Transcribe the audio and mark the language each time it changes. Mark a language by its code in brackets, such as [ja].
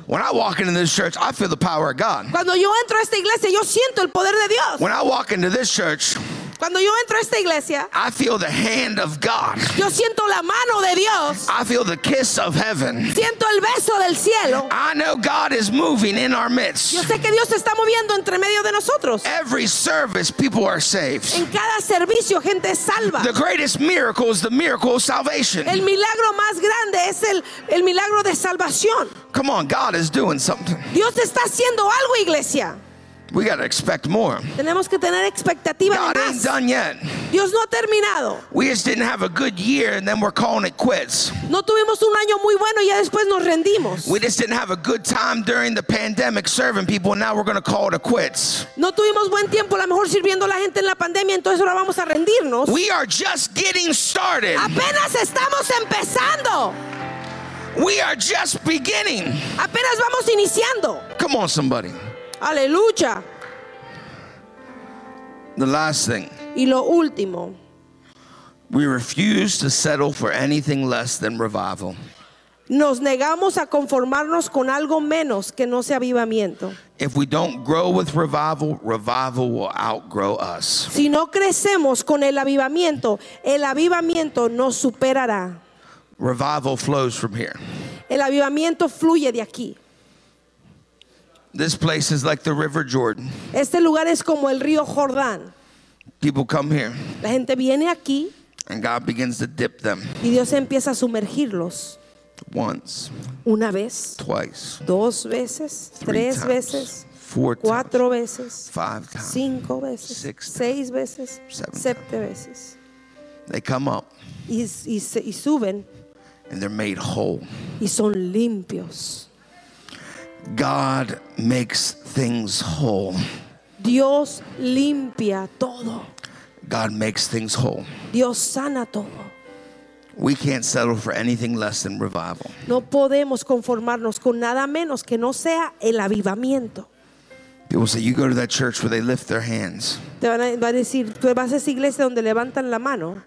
[en] When I walk into this church, I feel the power of God. [es] Cuando yo entro a esta iglesia, yo siento el poder de Dios. [en] When I walk into this church, [es] cuando yo entro a esta iglesia, [en] I feel the hand of God. [es] Yo siento la mano de Dios. [en] I feel the kiss of heaven. [es] Siento el beso del cielo. [en] I know God is moving in our midst. [es] Yo sé que Dios está moviendo entre medio de nosotros. [en] Every service, people are saved. [es] En cada servicio, gente es salva. [en] The greatest miracle is the miracle of salvation. [es] El milagro más grande es el milagro de salvación. [en] Come on, God is doing something. [es] Dios está haciendo algo, iglesia. [en] We got to expect more. [es] Tenemos que tener expectativas. [en] God ain't done yet. [es] Dios no ha terminado. [en] We just didn't have a good year and then we're calling it quits. [es] No tuvimos un año muy bueno y ya después nos rendimos. [en] We just didn't have a good time during the pandemic serving people and now we're going to call it a quits. [es] No tuvimos buen tiempo a lo mejor sirviendo a la gente en la pandemia, entonces ahora vamos a rendirnos. [en] We are just getting started. [es] Apenas estamos empezando. [en] We are just beginning. [es] Apenas vamos iniciando. [en] Come on, somebody. [es] Aleluya. [en] The last thing. [es] Y lo último. [en] We refuse to settle for anything less than revival. [es] Nos negamos a conformarnos con algo menos que no sea avivamiento. [en] If we don't grow with revival, revival will outgrow us. [es] Si no crecemos con el avivamiento nos superará. [en] Revival flows from here. [es] El avivamiento fluye de aquí. [en] This place is like the River Jordan. [es] Este lugar es como el río Jordán. [en] People come here. [es] La gente viene aquí. [en] And God begins to dip them. [es] Y Dios empieza a sumergirlos. [en] Once. [es] Una vez. [en] Twice. [es] Dos veces. [en] Three [es] tres [en] times, [es] veces. [en] Four [es] cuatro [en] times, [es] veces. [en] Five times. [es] Cinco veces. [en] Six [es] times, seis veces. [en] Seven [es] siete [en] times, [es] veces. [en] They come up. [es] Y suben. [en] And they're made whole. [es] Y son limpios. [en] God makes things whole. [es] Dios limpia todo. [en] God makes things whole. [es] Dios sana todo. [en] We can't settle for anything less than revival. [es] No podemos conformarnos con nada menos que no sea el avivamiento. [en] People say, you go to that church where they lift their hands. [es] Te van a decir, tú vas a esa iglesia donde levantan la mano.